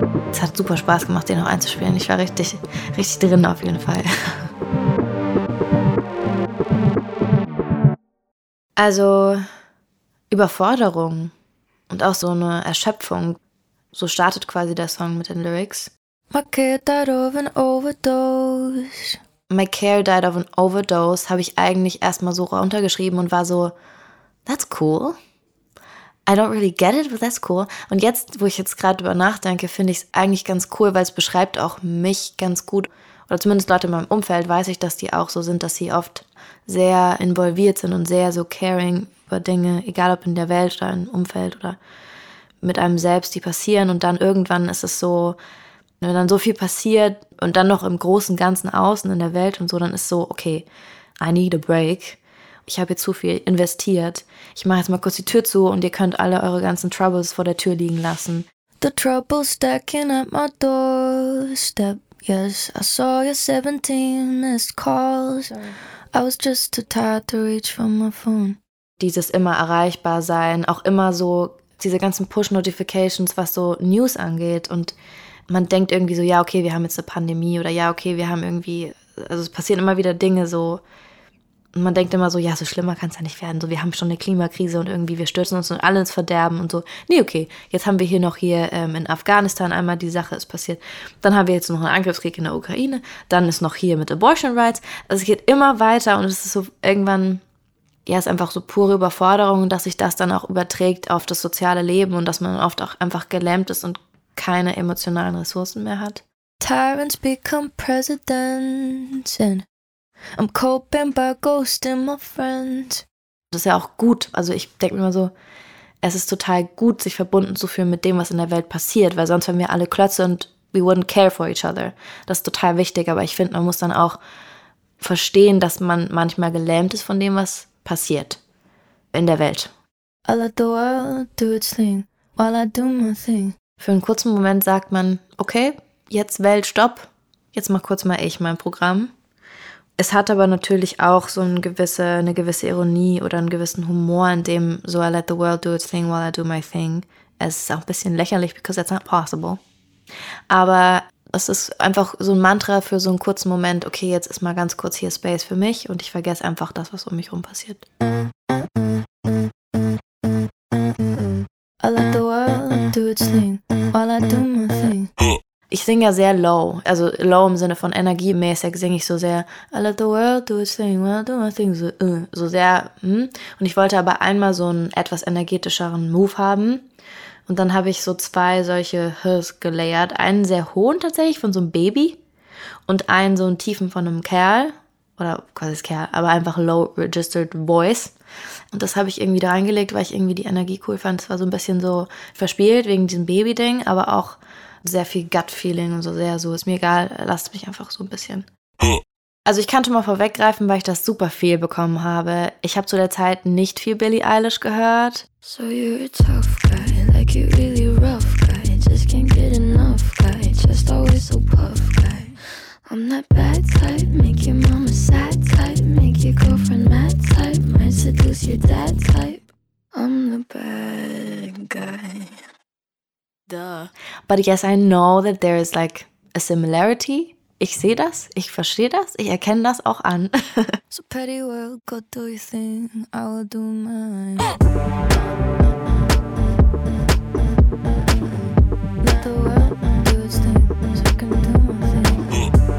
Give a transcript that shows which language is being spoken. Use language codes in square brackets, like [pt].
[de] Es hat super Spaß gemacht, den noch einzuspielen. Ich war richtig, richtig drin auf jeden Fall. Also Überforderung und auch so eine Erschöpfung. So startet quasi der Song mit den Lyrics. [en] My care died of an overdose. My care died of an overdose [de] habe ich eigentlich erstmal so runtergeschrieben und war so, [en] that's cool. I don't really get it, but that's cool. [de] Und jetzt, wo ich jetzt gerade drüber nachdenke, finde ich es eigentlich ganz cool, weil es beschreibt auch mich ganz gut. Oder zumindest Leute in meinem Umfeld weiß ich, dass die auch so sind, dass sie oft sehr involviert sind und sehr so caring über Dinge, egal ob in der Welt oder im Umfeld oder mit einem selbst, die passieren und dann irgendwann ist es so, wenn dann so viel passiert und dann noch im großen Ganzen außen in der Welt und so, dann ist so, okay, [en] I need a break. [de] Ich habe jetzt zu viel investiert. Ich mache jetzt mal kurz die Tür zu und ihr könnt alle eure ganzen Troubles vor der Tür liegen lassen. [en] The trouble stacking at my doorstep. Yes, I saw your 17 missed calls. I was just too tired to reach for my phone. [de] Dieses immer erreichbar sein, auch immer so diese ganzen Push-Notifications, was so News angeht und man denkt irgendwie so, ja, okay, wir haben jetzt eine Pandemie oder ja, okay, wir haben irgendwie, also es passieren immer wieder Dinge so und man denkt immer so, ja, so schlimmer kann es ja nicht werden, so wir haben schon eine Klimakrise und irgendwie wir stürzen uns und alle ins Verderben und so, nee, okay, jetzt haben wir hier noch hier in Afghanistan einmal die Sache ist passiert, dann haben wir jetzt noch einen Angriffskrieg in der Ukraine, dann ist noch hier mit Abortion Rights, also es geht immer weiter und es ist so irgendwann, ja, ist einfach so pure Überforderung, dass sich das dann auch überträgt auf das soziale Leben und dass man oft auch einfach gelähmt ist und keine emotionalen Ressourcen mehr hat. [en] Tyrants become presidents and I'm coping by ghosting my friends. [de] Das ist ja auch gut. Also ich denke mir immer so, es ist total gut, sich verbunden zu fühlen mit dem, was in der Welt passiert, weil sonst wären wir alle Klötze und [en] we wouldn't care for each other. [de] Das ist total wichtig, aber ich finde, man muss dann auch verstehen, dass man manchmal gelähmt ist von dem, was passiert in der Welt. [en] I let the world do its thing while I do my thing. [de] Für einen kurzen Moment sagt man, okay, jetzt Welt, stopp, jetzt mach kurz mal ich mein Programm. Es hat aber natürlich auch so eine gewisse Ironie oder einen gewissen Humor, in dem so [en] I let the world do its thing while I do my thing. [de] Es ist auch ein bisschen lächerlich, [en] because that's not possible. [de] Aber es ist einfach so ein Mantra für so einen kurzen Moment, okay, jetzt ist mal ganz kurz hier Space für mich und ich vergesse einfach das, was um mich rum passiert. [en] I let the world do its thing while I do my thing. [de] Ich singe ja sehr low, also low im Sinne von energiemäßig singe ich so sehr [en] I let the world do its thing, while I do my thing, [de] so sehr. Und ich wollte aber einmal so einen etwas energetischeren Move haben. Und dann habe ich so zwei solche Hs gelayert. Einen sehr hohen tatsächlich von so einem Baby und einen so einen tiefen von einem Kerl. Oder quasi Kerl, aber einfach [en] low registered voice. [de] Und das habe ich irgendwie da reingelegt, weil ich irgendwie die Energie cool fand. Es war so ein bisschen so verspielt wegen diesem Baby-Ding, aber auch sehr viel Gut-Feeling und so sehr so, ist mir egal, lasst mich einfach so ein bisschen. Also ich kann schon mal vorweggreifen, weil ich das super viel bekommen habe. Ich habe zu der Zeit nicht viel Billie Eilish gehört. [en] So you're a tough guy, like you really rough guy, just can't get enough guy, just always so puff guy. I'm that bad type, make your mama sad type, make your girlfriend mad type, might seduce your dad type. I'm the bad guy. But yes, I know that there is like a similarity. [de] Ich sehe das, ich verstehe das, ich erkenne das auch an. [en] So petty world, go do your thing, I will do mine. Let the world do its thing, so I can do my thing.